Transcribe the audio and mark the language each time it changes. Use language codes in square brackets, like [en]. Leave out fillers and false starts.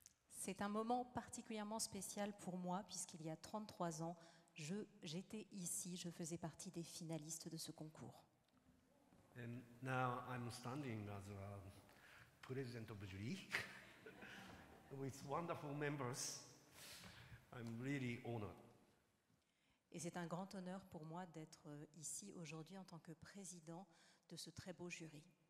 [fr] C'est un moment particulièrement spécial pour moi puisqu'il y a 33 ans, j'étais ici, je faisais partie des finalistes de ce concours. [en] And now I'm standing as a president of the jury with wonderful members. I'm really honored. [fr] Et c'est un grand honneur pour moi d'être ici aujourd'hui en tant que président de ce très beau jury.